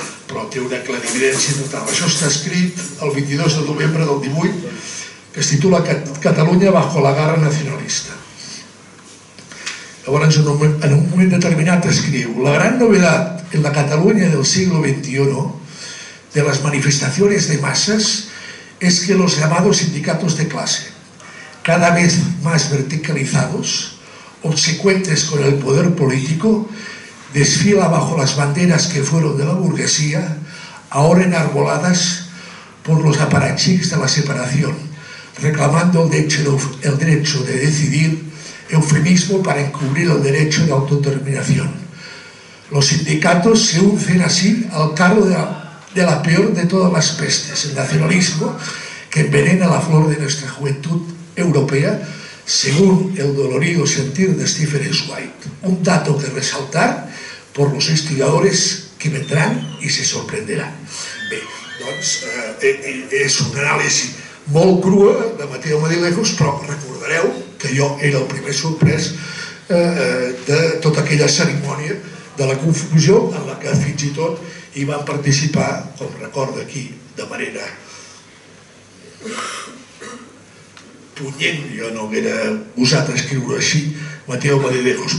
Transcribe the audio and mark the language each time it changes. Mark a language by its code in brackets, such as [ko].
[ca] Però té una clarividència total. Això està escrit el 22 de novembre del 18, que es titula [es] Catalunya bajo la garra nacionalista. [ca] Llavors, en un moment determinat escriu: [es] la gran novedad en la Cataluña del siglo XXI de las manifestaciones de masas es que los llamados sindicatos de clase, cada vez más verticalizados, obsecuentes con el poder político, desfila bajo las banderas que fueron de la burguesía, ahora enarboladas por los aparatchiks de la separación, reclamando el derecho de decidir, eufemismo para encubrir el derecho de autodeterminación. Los sindicatos se uncen así al carro de la peor de todas las pestes, el nacionalismo que envenena la flor de nuestra juventud europea, según el dolorido sentir de Stephen Zweig. Un dato que resaltar por los estudiadores que vendrán y se sorprenderán. [ca] Bé, doncs, és un anàlisi molt crua de Mateo Madridejos, però recordareu que jo era el primer sorprès de tota aquella cerimònia de la confusió en la que fins i tot hi van participar, com recordo aquí, de manera punyent, jo no m'era gosat escriure així, Mateo Madridejos.